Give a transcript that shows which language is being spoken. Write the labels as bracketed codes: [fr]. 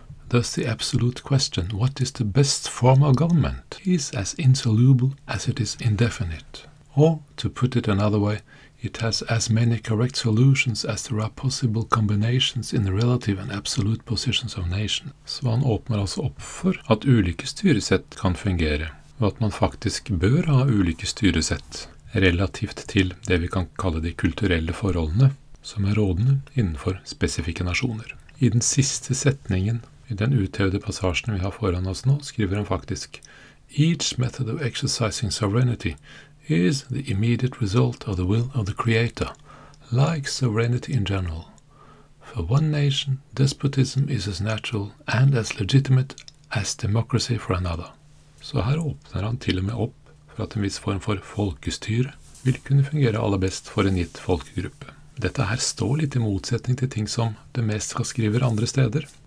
[en] Thus the absolute question, what is the best form of government, is as insoluble as it is indefinite. Or, to put it another way, it has as many correct solutions as there are possible combinations in the relative and absolute positions of nations. [no] Så han åpner altså opp for at ulike styresett kan fungere, og at man faktisk bør ha ulike styresett relativt til det vi kan kalle de kulturelle forholdene som er rådende innenfor spesifikke nasjoner. I den siste setningen i den uthevde passasjen vi har foran oss nå, skriver han faktisk [en] «Each method of exercising sovereignty is the immediate result of the will of the Creator, like sovereignty in general. For one nation, despotism is as natural and as legitimate as democracy for another.» [no] Så her åpner han til og med opp for at en viss form for folkestyre vil kunne fungere aller best for en gitt folkegruppe. Dette her står litt i motsetning til ting som det mest skriver andre steder.